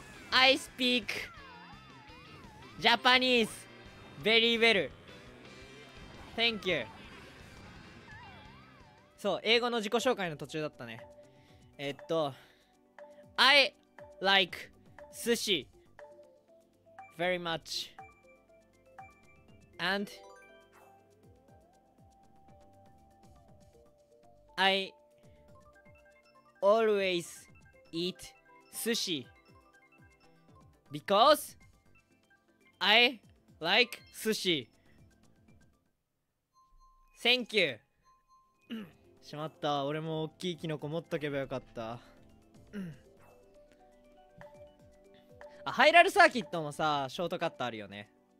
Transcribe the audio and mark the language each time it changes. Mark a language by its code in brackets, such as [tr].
[en] I speak Japanese very well. Thank you. [ja] そう、英語の自己紹介の途中だったね。 [en] I like sushi very much. And I always eat sushi because I like sushi. Thank you. [ja] しまった、俺も大きいキノコ持っとけばよかった、あ、ハイラルサーキットもさ、ショートカットあるよね。